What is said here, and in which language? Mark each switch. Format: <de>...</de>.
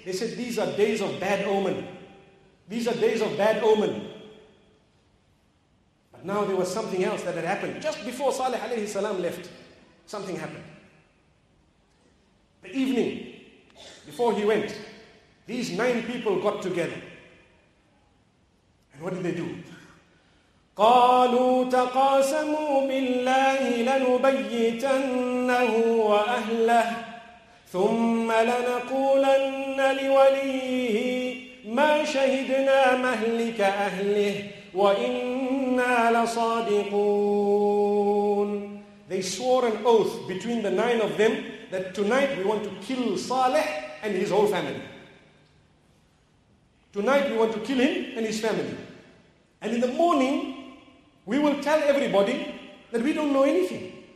<en>They said, these are days of bad omen. These are days of bad omen. But now there was something else that had happened. Just before Salih alayhi salam left, something happened. The evening, before he went, These nine people got together. And what did they do?</en> <ar>قالوا تقاسموا بالله لنبيتنه وأهله ثم لنقولن لوليه ما شهدنا مهلك أهله وإنا لصادقون.</ar> <en>They swore an oath between the nine of them that tonight we want to kill Saleh and his whole family. Tonight we want to kill him and his family. And in the morning, we will tell everybody that we don't know anything.</en>